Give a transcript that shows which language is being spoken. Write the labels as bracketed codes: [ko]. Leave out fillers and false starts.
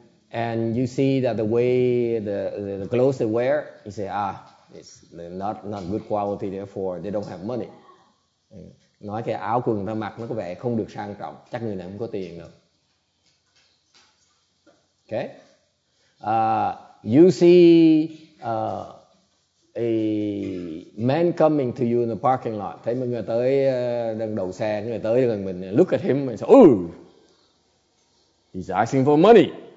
[en] And you see that the way the clothes they wear, you say, it's not good quality, therefore they don't have money. [vi] Nói cái áo quần ta mặc nó có vẻ không được sang trọng, chắc người này không có tiền đâu. [en] Okay? You see a man coming to you in the parking lot. [vi] Thấy một người tới đang đậu xe, người tới gần mình, [en] look at him and say, he's asking for money.